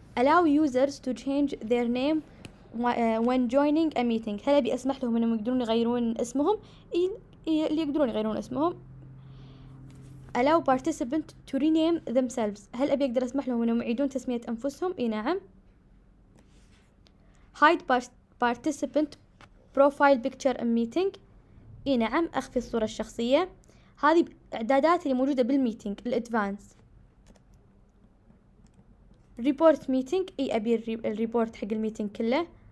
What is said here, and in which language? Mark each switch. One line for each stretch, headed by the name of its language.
English: allow users to change their name when joining a meeting.
Arabic: هل أبي أسمح لهم إنهم يقدرون يغيرون اسمهم؟ اللي يقدرون يغيرون اسمهم.
English: Allow participants to rename themselves.
Arabic: هل أبي أقدر أسمح لهم إنهم يعيدون تسمية أنفسهم؟ إيه نعم.
English: Hide participant profile picture in meeting.
Arabic: إيه نعم، أخفي الصورة الشخصية. هذه إعدادات اللي موجودة بالميتينج الأدفانس. ريبورت ميتينج، اي ابي الريبورت حق الميتينج كله.